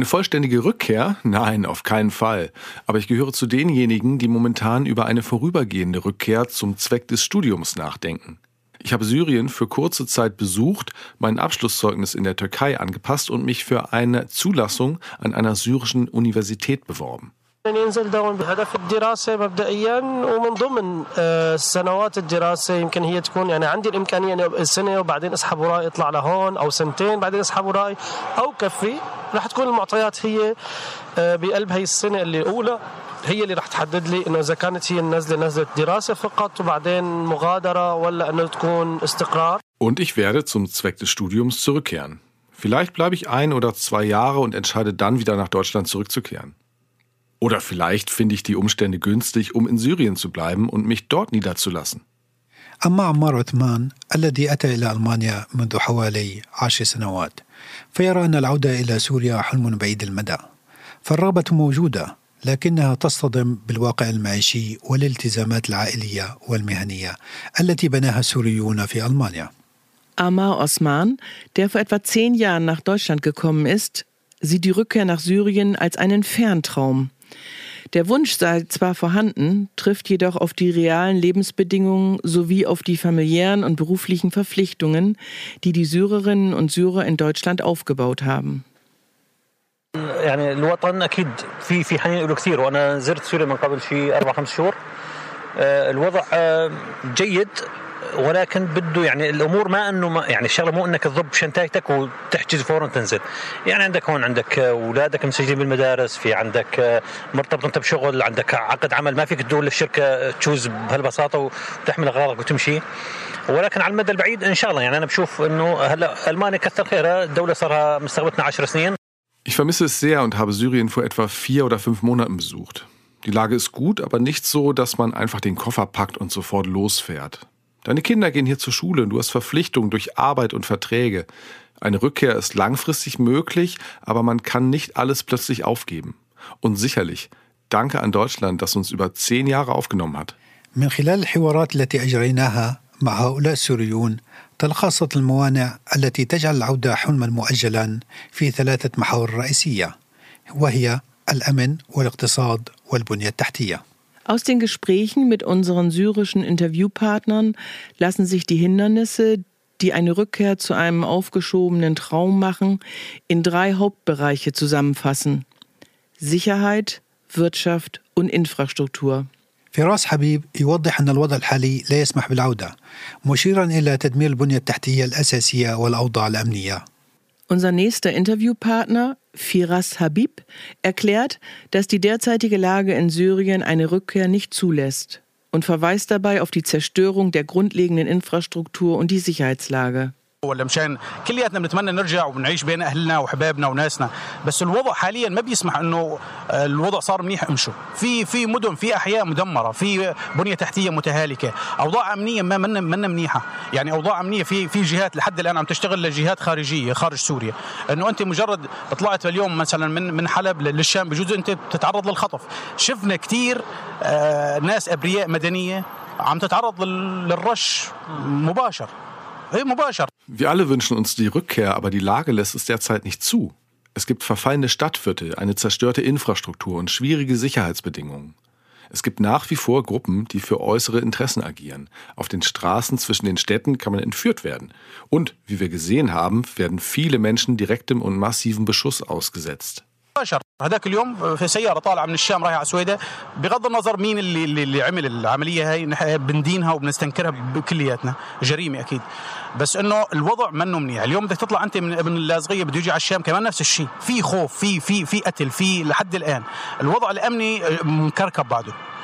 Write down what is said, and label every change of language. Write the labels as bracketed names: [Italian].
[German] Eine vollständige Rückkehr? Nein, auf keinen Fall. Aber ich gehöre zu denjenigen, die momentan über eine vorübergehende Rückkehr zum Zweck des Studiums nachdenken. Ich habe Syrien für kurze Zeit besucht, mein Abschlusszeugnis in der Türkei angepasst und mich für eine Zulassung an einer syrischen Universität beworben. [Arabic] ننزل دوم بهدف الدراسة مبدئيا ومن ضمن سنوات الدراسة يمكن هي تكون يعني عندي الإمكانية أن السنة وبعدين أسحب ورائي أطلع لهون أو سنتين بعدين أسحب ورائي أو كفي راح تكون المعطيات هي بقلب هاي السنة اللي أولى هي اللي راح تحدد لي إنه إذا كانت هي نزلة دراسة فقط وبعدين مغادرة ولا إنه تكون استقرار. [German] Und ich werde zum Zweck des Studiums zurückkehren. Vielleicht bleibe ich 1 oder 2 Jahre und entscheide dann wieder nach Deutschland zurückzukehren. Oder vielleicht finde ich die Umstände günstig, um in Syrien zu bleiben und mich dort niederzulassen. [Arabic] أما عمار عثمان الذي أتى إلى ألمانيا منذ حوالي 10 سنوات فيرى أن العودة إلى سوريا حلم بعيد المدى. فالرغبة موجودة لكنها تصطدم بالواقع المعيشي والالتزامات العائلية والمهنية التي بناها السوريون في ألمانيا. [German] Amar Osman, der vor etwa 10 Jahren nach Deutschland gekommen ist, sieht die Rückkehr nach Syrien als einen Ferntraum. Der Wunsch sei zwar vorhanden, trifft jedoch auf die realen Lebensbedingungen sowie auf die familiären und beruflichen Verpflichtungen, die die Syrerinnen und Syrer in Deutschland aufgebaut haben. [Arabic] يعني الوطن اكيد في حنين له كثير وانا زرت سوريا من قبل شيء 4-5 شهور الوضع جيد ولكن بده يعني الامور ما انه ما يعني الشغله مو انك تضب شنطتك وتحجز فورا تنزل يعني عندك هون عندك اولادك مسجلين بالمدارس في عندك مرتبط انت بشغل عندك عقد عمل ما فيك تدور للشركه تشوز بهالبساطه وتحمل اغراضك وتمشي ولكن على المدى البعيد ان شاء الله يعني انا بشوف انه هلا المانيا كثر خيرها الدوله صارها مستقبلتنا 10 سنين [German] Ich vermisse es sehr und habe Syrien vor etwa 4 oder 5 Monaten besucht. Die Lage ist gut, aber nicht so, dass man einfach den Koffer packt und sofort losfährt. Deine Kinder gehen hier zur Schule und du hast Verpflichtungen durch Arbeit und Verträge. Eine Rückkehr ist langfristig möglich, aber man kann nicht alles plötzlich aufgeben. Und sicherlich, danke an Deutschland, das uns über 10 Jahre aufgenommen hat. [Arabic] من خلال الحوارات التي أجريناها مع هؤلاء السوريون تلخصت الموانع التي تجعل العودة حلما مؤجلا في 3 محاور رئيسية وهي الأمن والاقتصاد والبنية التحتية. [German] Aus den Gesprächen mit unseren syrischen Interviewpartnern lassen sich die Hindernisse, die eine Rückkehr zu einem aufgeschobenen Traum machen, in 3 Hauptbereiche zusammenfassen: Sicherheit, Wirtschaft und Infrastruktur. [Arabic] فراس حبيب يوضح أن الوضع الحالي لا يسمح بالعودة، مشيرا إلى تدمير البنية التحتية الأساسية والأوضاع الأمنية. [German] Unser nächster Interviewpartner, Firas Habib, erklärt, dass die derzeitige Lage in Syrien eine Rückkehr nicht zulässt und verweist dabei auf die Zerstörung der grundlegenden Infrastruktur und die Sicherheitslage. [Arabic] ولا مشان كلياتنا بنتمنى نرجع ونعيش بين اهلنا وحبايبنا وناسنا بس الوضع حاليا ما بيسمح انه الوضع صار منيح امشوا في مدن في احياء مدمره في بنيه تحتيه متهالكه اوضاع امنيه ما منا منيحه يعني اوضاع امنيه في جهات لحد الان عم تشتغل لجهات خارجيه خارج سوريا انه انت مجرد طلعت اليوم مثلا من حلب للشام بجوز انت بتتعرض للخطف شفنا كثير ناس ابرياء مدنيه عم تتعرض للرش مباشر [German] Wir alle wünschen uns die Rückkehr, aber die Lage lässt es derzeit nicht zu. Es gibt verfallene Stadtviertel, eine zerstörte Infrastruktur und schwierige Sicherheitsbedingungen. Es gibt nach wie vor Gruppen, die für äußere Interessen agieren. Auf den Straßen zwischen den Städten kann man entführt werden. Und, wie wir gesehen haben, werden viele Menschen direktem und massivem Beschuss ausgesetzt. [Arabic] هذاك اليوم في سيارة طالعة من الشام رايحة على سويدة بغض النظر مين اللي عمل العملية هاي بندينها وبنستنكرها بكلياتنا جريمة أكيد بس إنه الوضع منه منيح اليوم بدك تطلع أنت من اللاذقية بده يجي على الشام كمان نفس الشيء في خوف في في في قتل في لحد الآن الوضع الأمني مكركب بعده.